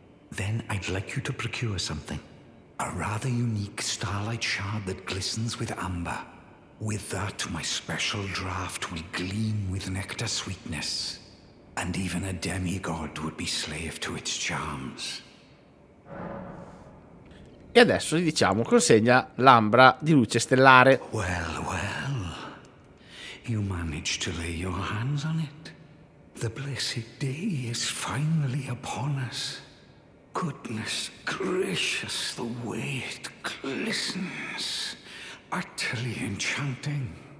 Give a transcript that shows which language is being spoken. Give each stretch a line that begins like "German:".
English: Then I'd like you to procure something. A rather unique starlight shard that glistens with amber. With that, my special draft will gleam with nectar sweetness. And even a demigod would be slave to its charms.
Italian: E adesso gli diciamo, consegna l'ambra di luce stellare.
English: Well, well. You managed to lay your hands on it. The blessed day is finally upon us. Goodness gracious, the way it glistens. Utterly enchanting.